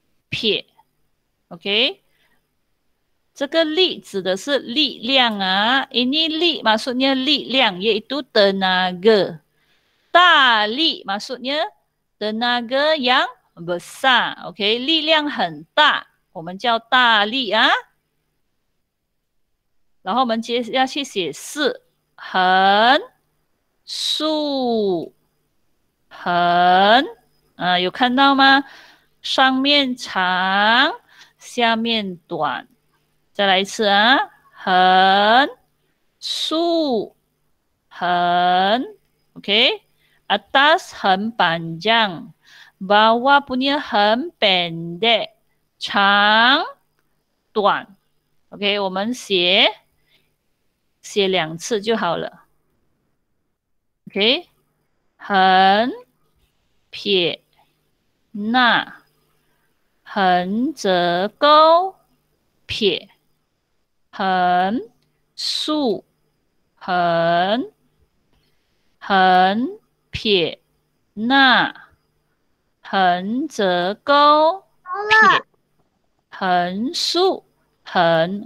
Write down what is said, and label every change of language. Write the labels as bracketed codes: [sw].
[zh] 撇 ，OK， 这个力指的是力量啊 ， [ms] ini li maksudnya [zh] 力量 ， [ms] yaitu tenaga， [zh] 大力 [ms] maksudnya tenaga yang besar， [zh] OK，、okay? 力量很大，我们叫大力啊。然后我们接下去写四横竖横，啊，有看到吗？上面长，下面短。再来一次啊，横、竖、横 ，OK。 [ms] atas 横 panjang， bawah punya 横 pendek， 长、短 ，OK。 [zh] 我们写两次就好了 ，OK。横、撇、捺。横折勾撇，横竖横，横撇捺，横折勾撇，横竖横。